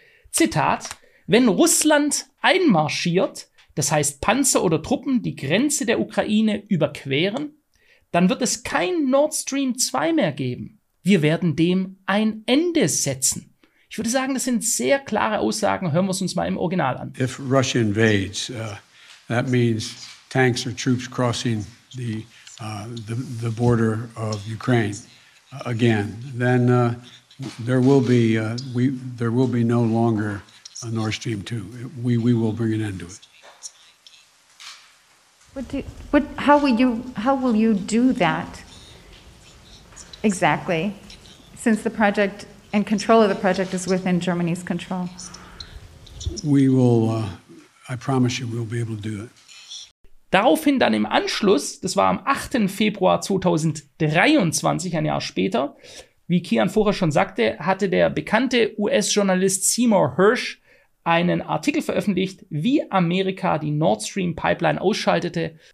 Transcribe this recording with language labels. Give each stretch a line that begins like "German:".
German: Zitat: Wenn Russland einmarschiert, das heißt Panzer oder Truppen die Grenze der Ukraine überqueren, dann wird es kein Nord Stream 2 mehr geben. Wir werden dem ein Ende setzen. Ich würde sagen, das sind sehr klare Aussagen. Hören wir es uns mal im Original an.
English: If Russia invades, that means tanks or troops crossing the border of Ukraine again, then there will be no longer a Nord Stream 2. We will bring an end to it. How will you do that exactly, since the project and control of the project is within Germany's control? We will, I promise you, we'll be able to do it.
German: Daraufhin dann im Anschluss, das war am 8. Februar 2023, ein Jahr später, wie Kian vorher schon sagte, hatte der bekannte US-Journalist Seymour Hersh einen Artikel veröffentlicht, wie Amerika die Nord Stream Pipeline ausschaltete.